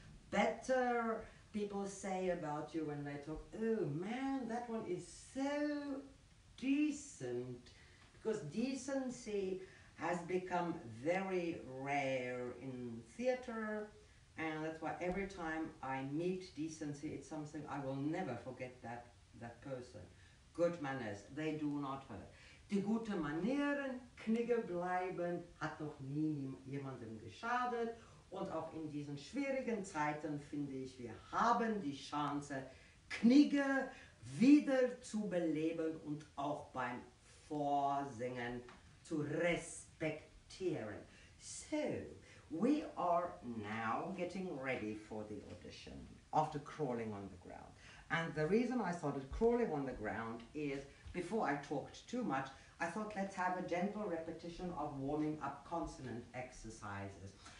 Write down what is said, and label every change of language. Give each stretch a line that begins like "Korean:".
English: Better people say about you when they talk, oh man, that one is so decent. Because decency has become very rare in theater. And that's why every time I meet decency, it's something I will never forget that person. Good manners, they do not hurt.
German: Die gute Manieren, knigge bleiben, hat noch nie jemandem geschadet. Und auch in diesen schwierigen Zeiten finde ich, wir haben die Chance, knigge wieder zu beleben und auch beim Vorsingen zu respektieren.
English: So, we are now getting ready for the audition after crawling on the ground. And the reason I started crawling on the ground is, before I talked too much, I thought let's have a gentle repetition of warming up consonant exercises.